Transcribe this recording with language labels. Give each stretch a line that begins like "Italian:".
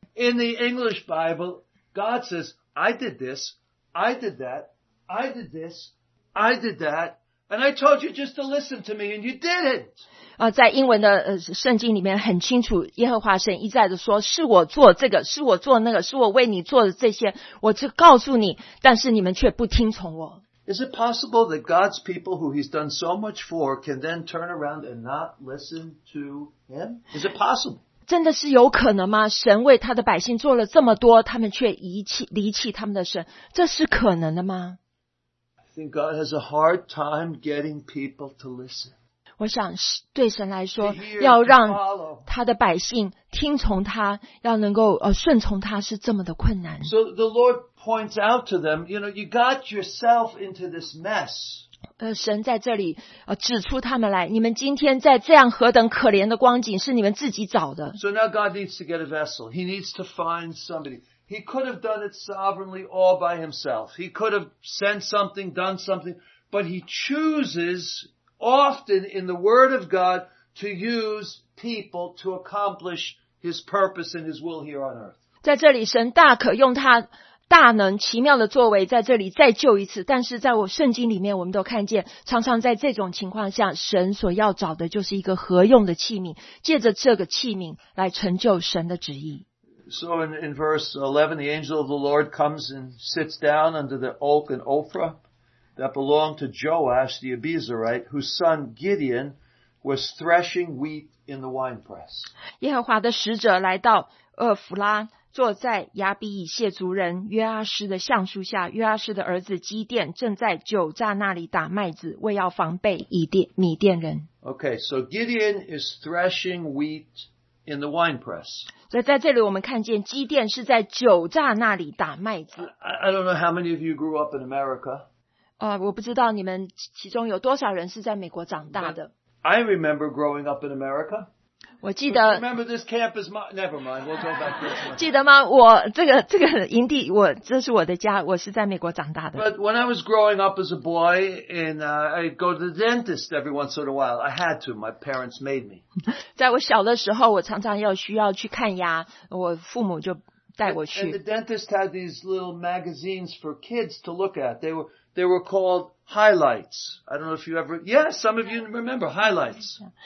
English: In the English Bible, God says, I did this, I did that, I did this, I did that, and I told you just to listen to me, and you didn't.
Chinese: 在英文的圣经里面很清楚，耶和华神一再的说，是我做这个，是我做那个，是我为你做的这些，我只告诉你，但是你们却不听从我。
English: Is it possible that God's people who he's done so much for can then turn around and not listen to him? Is it possible?
Chinese: 真的是有可能吗？神为他的百姓做了这么多，他们却离弃他们的神，这是可能的吗？
English: I think God has a hard time getting people to listen.
Chinese: 我想对神来说，要让他的百姓听从他，要能够顺从他，是这么的困难。
English: So the Lord points out to them, you know, you got yourself into this mess.
Chinese: 神在这里指出他们来，你们今天在这样何等可怜的光景，是你们自己找的。
English: So now God needs to get a vessel. He needs to find somebody. He could have done it sovereignly all by himself. He could have sent something, done something, but he chooses. Often in the Word of God to use people to accomplish His purpose and His will here on earth.
Chinese: 在这里神大可用他大能奇妙的作为在这里再救一次，但是在我圣经里面我们都看见，常常在这种情况下，神所要找的就是一个合用的器皿，借着这个器皿来成就神的旨意。
English: So in verse 11, the angel of the Lord comes and sits down under the oak in Ophrah. That belonged to Joash the Abiezrite, whose son Gideon was threshing wheat in the winepress.
Chinese: 耶和华的使者来到厄弗拉，坐在亚比以谢族人约阿施的橡树下。约阿施的儿子基甸正在酒榨那里打麦子，为要防备米甸人。
English: Okay, so Gideon is threshing wheat in the winepress.
Chinese: 所以在这里我们看见基甸是在酒榨那里打麦子。
English: I don't know how many of you grew up in America.
Chinese: 我不知道你们其中有多少人是在美国长大的。
English: I remember growing up in America.
Chinese: 我记得。
English: Remember this camp is my, never mind, we'll go back this one.
Chinese: 记得吗？我这个营地，我这是我的家，我是在美国长大的。
English: But when I was growing up as a boy, and I'd go to the dentist every once in a while. I had to, my parents made me.
Chinese: 在我小的时候，我常常要需要去看牙，我父母就带我去。
English: And the dentist had these little magazines for kids to look at. They were called highlights. I don't know if you ever, yeah, some of you remember highlights.